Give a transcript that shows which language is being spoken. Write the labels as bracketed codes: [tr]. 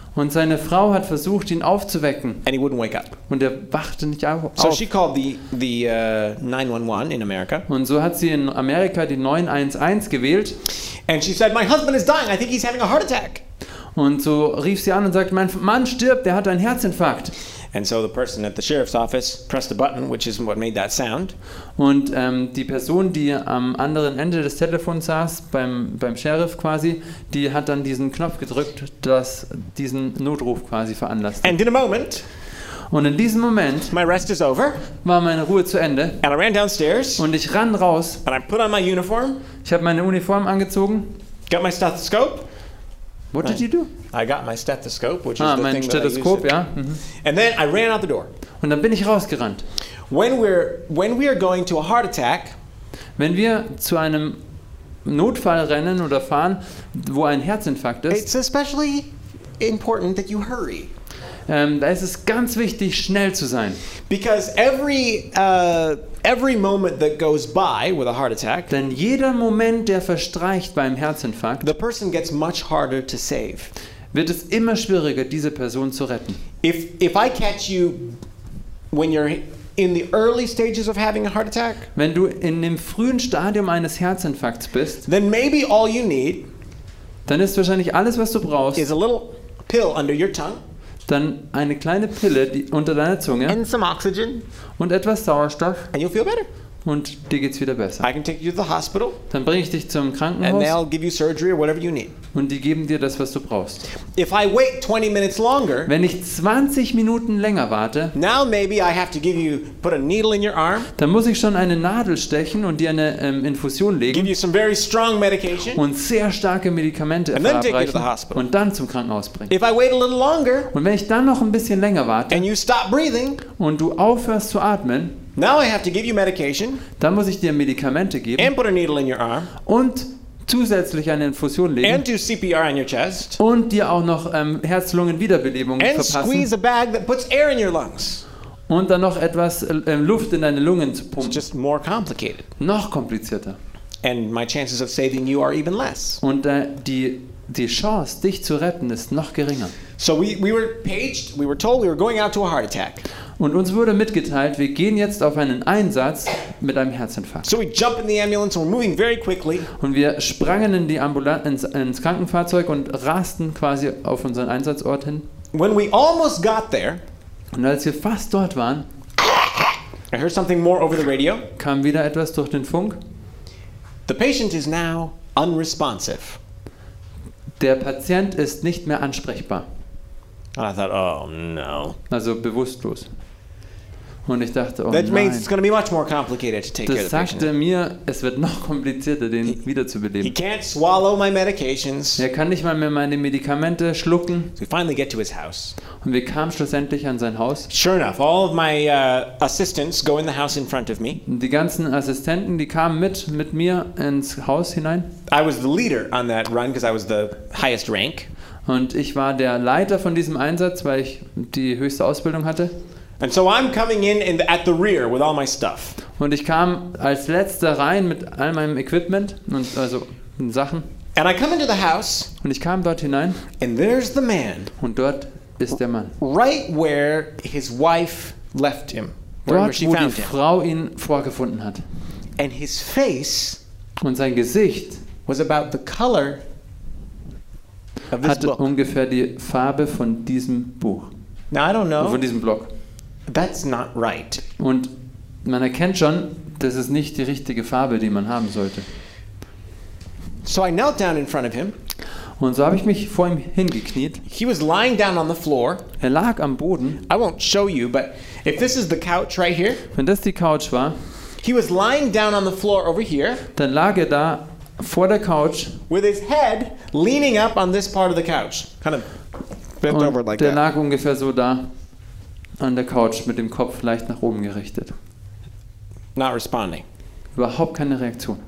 [de] Und seine Frau hat versucht, ihn aufzuwecken. [en] And he wouldn't wake up. [de] Und er wachte nicht auf. [en] So she called the 911 in America. [de] Und so hat sie in Amerika die 911 gewählt. [en] And she said, my husband is dying. I think he's having a heart attack. [de] Und so rief sie an und sagte, mein Mann stirbt, er hat einen Herzinfarkt. [en] And so the person at the sheriff's office pressed a button, which is what made that sound. [de] Und die Person, die am anderen Ende des Telefons saß, beim Sheriff quasi, die hat dann diesen Knopf gedrückt, das diesen Notruf quasi veranlasste. [en] And in a moment. [de] Und in diesem Moment. [en] My rest is over. [de] War meine Ruhe zu Ende. [en] And I ran downstairs. [de] Und ich ran raus. [en] And I put on my uniform. [de] Ich habe meine Uniform angezogen. [en] Got my stethoscope. What did you do? I got my stethoscope, which is the thing that I use. Yeah. Mm-hmm. And then I ran out the door. [de] Und dann bin ich rausgerannt. [en] When we are going to a heart attack, [de] wenn wir zu einem Notfall rennen oder fahren, wo ein Herzinfarkt ist, [en] it's especially important that you hurry. [de] Da ist es ganz wichtig, schnell zu sein. [en] Because every moment that goes by with a heart attack, [de] denn jeder Moment, der verstreicht beim Herzinfarkt, [en] the person gets much harder to save. [de] Wird es immer schwieriger, diese Person zu retten. [en] If I catch you when you're in the early stages of having a heart attack, [de] wenn du in dem frühen Stadium eines Herzinfarkts bist, [en] then maybe all you need, [de] dann ist wahrscheinlich alles, was du brauchst, [en] is a little pill under your tongue, [de] dann eine kleine Pille unter deiner Zunge, [en] and some oxygen, [de] und etwas Sauerstoff, [en] and you'll feel better. [de] Und dir geht's wieder besser. [en] I can take you to the hospital, [de] dann bringe ich dich zum Krankenhaus, [en] and they'll give you surgery or whatever you need. [de] Und die geben dir das, was du brauchst. [en] If I wait 20 minutes longer, [de] wenn ich 20 Minuten länger warte, [en] now maybe I have to give you, put a needle in your arm, [de] dann muss ich schon eine Nadel stechen und dir eine Infusion legen, [en] give you some very strong medication, [de] und sehr starke Medikamente [en] and [de] verabreichen, [en] then take you to the hospital, [de] und dann zum Krankenhaus bringen. [en] If I wait a little longer, [de] und wenn ich dann noch ein bisschen länger warte, [en] and you stop breathing, [de] und du aufhörst zu atmen, [en] now I have to give you medication, [de] dann muss ich dir Medikamente geben, [en] and put a needle in your arm, [de] und zusätzlich eine Infusion legen, [en] and do CPR on your chest, [de] und dir auch noch Herz-Lungen-Wiederbelebung verpassen, [en] and squeeze a bag that puts air in your lungs, [de] und dann noch etwas Luft in deine Lungen zu pumpen. [en] It's just more complicated. [de] Noch komplizierter. [en] And my chances of saving you are even less. [de] Und die Chance, dich zu retten, ist noch geringer. [en] So we were paged, we were told we were going out to a heart attack. [de] Und uns wurde mitgeteilt, wir gehen jetzt auf einen Einsatz mit einem Herzinfarkt. [en] So we jump in the ambulance, we're moving very quickly. [de] Und wir sprangen in die ins Krankenfahrzeug und rasten quasi auf unseren Einsatzort hin. [en] When we almost got there, [de] und als wir fast dort waren, [en] I heard something more over the radio. [de] Kam wieder etwas durch den Funk. [en] The patient is now unresponsive. [de] Der Patient ist nicht mehr ansprechbar. [en] And I thought, oh no. [de] Also bewusstlos. Und ich dachte, oh [en] that [de] nein. [en] Means it's going to be much more complicated to take [de] das [en] care of the [de] sagte [en] patient. [de] Mir, es wird noch komplizierter, den wiederzubeleben. [en] He can't swallow my medications. [de] Er kann nicht mal mehr meine Medikamente schlucken. [en] So we finally get to his house. [de] Und wir kamen schlussendlich an sein Haus. [en] Sure enough, all of my assistants go in the house in front of me. [de] Die ganzen Assistenten, die kamen mit mir ins Haus hinein. [en] I was the leader on that run because I was the highest rank. [de] Und ich war der Leiter von diesem Einsatz, weil ich die höchste Ausbildung hatte. [en] And so I'm coming in at the rear with all my stuff. [de] Und ich kam als letzter rein mit all meinem Equipment und also Sachen. [en] And I come into the house. [de] Und ich kam dort hinein. [en] And there's the man. [de] Und dort ist der Mann. [en] Right where his wife left him. [de] Dort, wo die Frau ihn vorgefunden hat. [en] And his face. [de] Und sein Gesicht [en] was about the color of this book. [de] Ungefähr die Farbe von diesem Buch. [en] Now I don't know. [de] Von diesem Block. [en] That's not right. [de] Und man erkennt schon, das ist nicht die richtige Farbe, die man haben sollte. [en] So I knelt down in front of him. [de] Und so habe ich mich vor ihm hingekniet. [en] He was lying down on the floor. [de] Er lag am Boden. [en] I won't show you, but if this is the couch right here. [de] Wenn das die Couch war. [en] He was lying down on the floor over here. [de] Dann lag er da vor der Couch. [en] With his head leaning up on this part of the couch. Kind of bent [de] und [en] over like [de] der [en] that. [de] Lag ungefähr so da. An der Couch mit dem Kopf leicht nach oben gerichtet. [en] Not responding. [de] Überhaupt keine Reaktion.